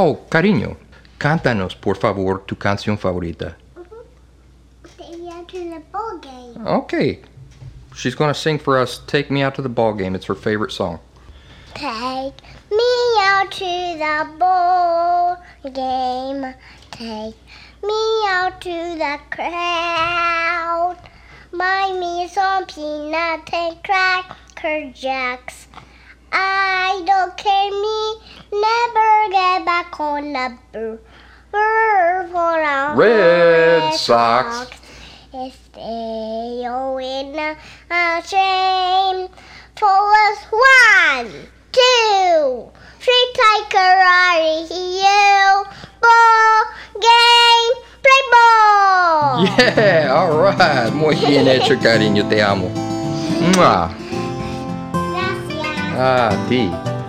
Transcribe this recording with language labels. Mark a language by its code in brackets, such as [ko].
[es] Cariño, cántanos, por favor, tu canción favorita. Uh-huh. [en] Take me out to the ball game. Okay. She's going to sing for us, Take Me Out to the Ball Game. It's her favorite song. Take me out to the ball game. Take me out to the crowd. Buy me some peanut and Cracker Jacks. I don't care me, never get back on the bird for a Red Sox. If they all in a shame, for us 1, 2, 3, Tiger are you, ball game, play ball. Yeah, all right. [es] Muy bien hecho, cariño, te amo. Mwah. Ah, ti. Sí.